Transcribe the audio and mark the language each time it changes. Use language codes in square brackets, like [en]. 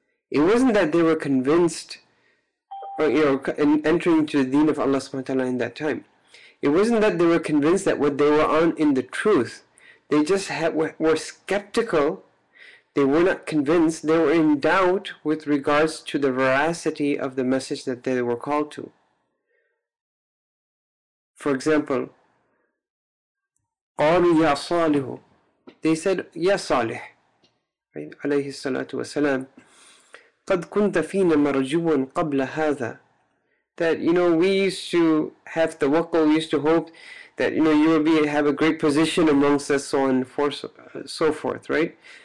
[en] It wasn't that they were convinced or entering into the deen of Allah subhanahu wa ta'ala in that time. It wasn't that they were convinced that what they were on in the truth. They just were skeptical. They were not convinced. They were in doubt with regards to the veracity of the message that they were called to. [ar] For example, قَالُوا يَا صَالِحُ. [en] They said, Ya Salih, right? Alayhi salatu wasalam, [ar] قَدْ كُنْتَ فِينَا مَرْجُوًا قَبْلَ هَذَا. [en] That, we used to have tawakkul, we used to hope that you know you will be have a great position amongst us, so on for so forth, right?